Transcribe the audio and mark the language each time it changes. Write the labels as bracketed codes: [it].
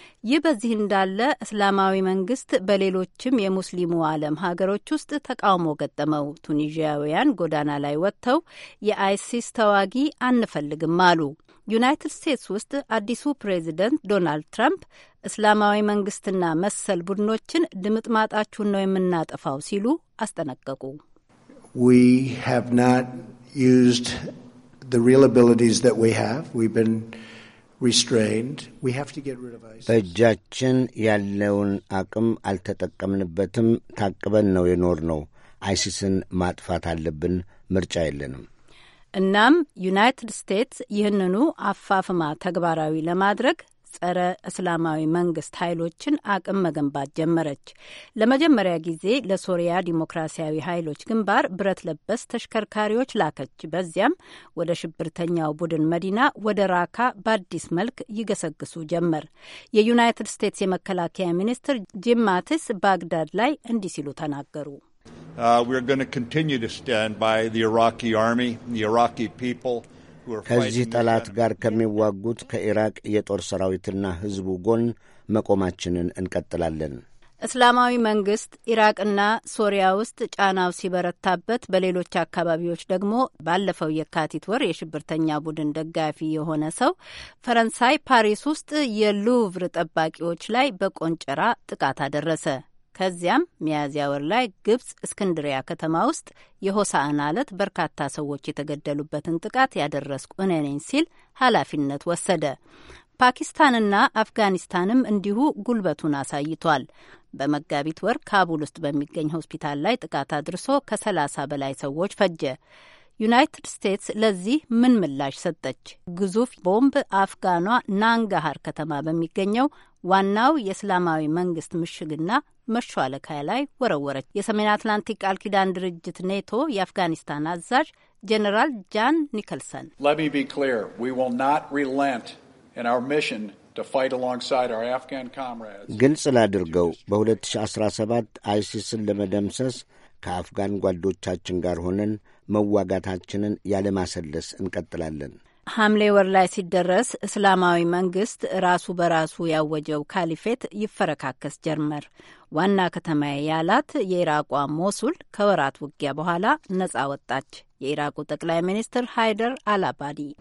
[am] ይህ በዚህ እንዳለ እስላማዊ መንግስት በሌሎችም የሙስሊሙ ዓለም ሀገሮች ውስጥ ተቃውሞ ገጠመው። ቱኒዥያውያን ጎዳና ላይ ወጥተው የአይሲስ ተዋጊ አንፈልግም አሉ። ዩናይትድ ስቴትስ ውስጥ አዲሱ ፕሬዚደንት ዶናልድ ትራምፕ እስላማዊ መንግስትና መሰል ቡድኖችን ድምጥማጣችሁን ነው የምናጠፋው ሲሉ አስጠነቀቁ። [en] We have not used the real abilities that we have. We've been restrained. We have to get rid of ISIS. [am] በእጃችን ያለውን አቅም አልተጠቀምንበትም። ታቅበን ነው የኖርነው። አይሲስን ማጥፋት አለብን። ምርጫ የለንም። እናም ዩናይትድ ስቴትስ ይህንኑ አፋፍማ ተግባራዊ ለማድረግ ጸረ እስላማዊ መንግስት ኃይሎችን አቅም መገንባት ጀመረች። ለመጀመሪያ ጊዜ ለሶሪያ ዲሞክራሲያዊ ኃይሎች ግንባር ብረት ለበስ ተሽከርካሪዎች ላከች። በዚያም ወደ ሽብርተኛው ቡድን መዲና ወደ ራካ በአዲስ መልክ ይገሰግሱ ጀመር። የዩናይትድ ስቴትስ የመከላከያ ሚኒስትር ጂም ማቲስ ባግዳድ ላይ እንዲህ ሲሉ ተናገሩ። [en] We're going to continue to stand by the Iraqi army, the Iraqi people who are [am] fighting ጠላት ጋር ከመዋጉት ከኢራቅ የጦር ሰራዊትና ህዝቡ ጎን መቆማችንን እንቀጥላለን። እስላማዊ መንግስት ኢራቅና ሶሪያ ውስጥ ጫናው ሲበረታበት በሌሎች አካባቢዎች ደግሞ ባለፈው የካቲት ወር የሽብርተኛ ቡድን ደጋፊ የሆነ ሰው ፈረንሳይ ፓሪስ ውስጥ የሉቭር ጠባቂዎች ላይ በቆንጨራ ጥቃት አደረሰ። ከዚያም ሚያዝያ ወር ላይ ግብጽ እስክንድሪያ ከተማ ውስጥ የሆሳዕና ዕለት በርካታ ሰዎች የተገደሉበትን ጥቃት ያደረስኩ እኔ ነኝ ሲል ኃላፊነት ወሰደ። ፓኪስታንና አፍጋኒስታንም እንዲሁ ጉልበቱን አሳይቷል። በመጋቢት ወር ካቡል ውስጥ በሚገኝ ሆስፒታል ላይ ጥቃት አድርሶ ከ30 በላይ ሰዎች ፈጀ። ዩናይትድ ስቴትስ ለዚህ ምን ምላሽ ሰጠች? ግዙፍ ቦምብ አፍጋኗ ናንጋሃር ከተማ በሚገኘው ዋናው የእስላማዊ መንግስት ምሽግና መሿለኪያ ላይ ወረወረች። የሰሜን አትላንቲክ ቃል ኪዳን ድርጅት ኔቶ የአፍጋኒስታን አዛዥ ጄኔራል ጃን ኒከልሰን [en] Let me be clear, we will not relent in our mission to fight alongside our Afghan comrades. [am] ግልጽ ላድርገው፣ በ2017 አይሲስን ለመደምሰስ ከአፍጋን ጓዶቻችን ጋር ሆነን መዋጋታችንን ያለማሰለስ እንቀጥላለን። ሐምሌ ወር ላይ ሲደረስ እስላማዊ መንግስት ራሱ በራሱ ያወጀው ካሊፌት ይፈረካከስ ጀመር። ዋና ከተማ ያላት የኢራቋ ሞሱል ከወራት ውጊያ በኋላ ነጻ ወጣች። የኢራቁ ጠቅላይ ሚኒስትር ሃይደር አላባዲ